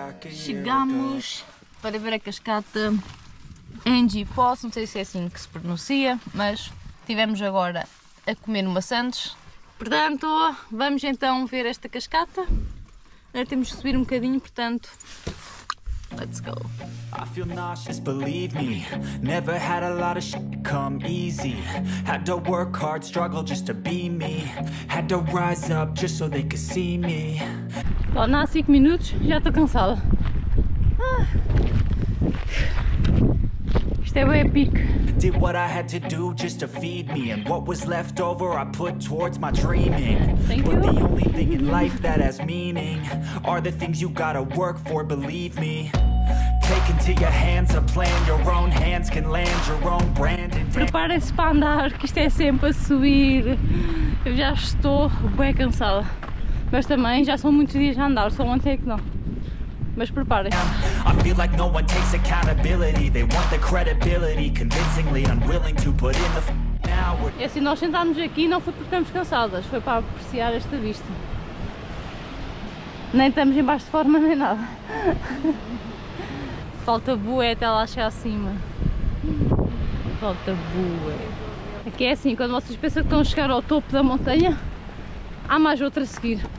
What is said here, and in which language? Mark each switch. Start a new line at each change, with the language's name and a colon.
Portuguese: Chegamos para ver a cascata Angie Falls, não sei se é assim que se pronuncia, mas estivemos agora a comer uma Sandes. Portanto, vamos então ver esta cascata. Agora temos que subir um bocadinho, portanto,
English: Let's go. I feel nauseous, believe me. Never had a lot of shit come easy. Had to work hard, struggle just to be me. Had to rise up just so they could see me.
Portuguese: Bom, há 5 minutos já estou cansada. Isto é bem épico.
English: Did what I had to do just to feed me, and what was left over I put towards my dreaming. Thank but you. The only thing in life that has meaning are the things you gotta work for, believe me. Take into your hands a plan, your own hands can land your own brand.
Portuguese: Prepare-se para andar, que isto é sempre a subir. Eu já estou bem cansada. Mas também já são muitos dias a andar, só ontem que não. Mas prepare-se.
English: I feel like no one takes accountability. They want the credibility, convincingly unwilling to put in the hour.
Portuguese: É assim, nós sentámos aqui não foi porque estamos cansadas, foi para apreciar esta vista. Nem estamos em baixo de forma nem nada. Falta bué até lá chegar acima. Falta bué. Aqui é assim, quando vocês pensam que estão a chegar ao topo da montanha, há mais outra a seguir.